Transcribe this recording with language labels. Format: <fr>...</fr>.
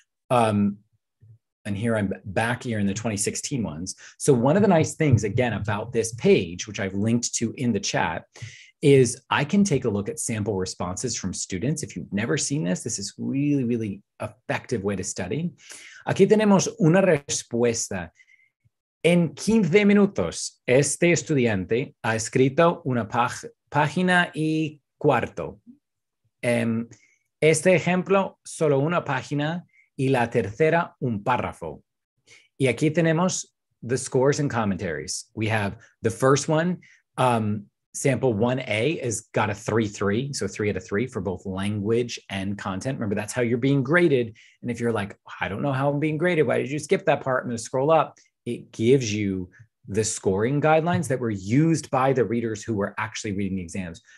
<en>And here I'm back here in the 2016 ones. So one of the nice things again about this page, which I've linked to in the chat, is I can take a look at sample responses from students. If you've never seen this, this is really, really effective way to study.</en> <es>Aquí tenemos una respuesta. En 15 minutos, este estudiante ha escrito una página y cuarto. Este ejemplo, solo una página y la tercera, un párrafo. Y aquí tenemos</es> <en>the scores and commentaries. We have the first one, sample 1A has got a 3-3, so 3 out of 3 for both language and content. Remember, that's how you're being graded. And if you're like, I don't know how I'm being graded, why did you skip that part? I'm going to scroll up. It gives you the scoring guidelines that were used by the readers who were actually reading the exams.</en>